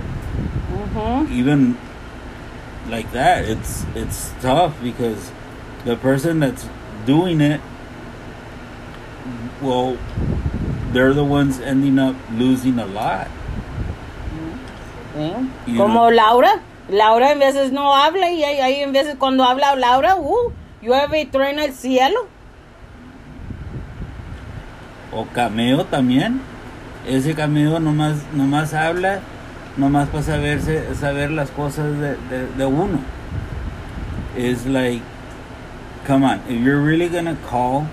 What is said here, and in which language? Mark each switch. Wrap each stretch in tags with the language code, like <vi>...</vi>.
<en>Mm-hmm. Even like that, it's tough because the person that's doing it, well, they're the ones ending up losing a lot.</en> <es>¿Eh? Como know. Laura. Laura en veces no habla y ahí en veces cuando habla Laura, llueve y truena el cielo. O Cameo también. Ese Cameo nomás habla, nomás para saber las cosas de uno.</es> <en>It's like, come on, if you're really gonna call.</en>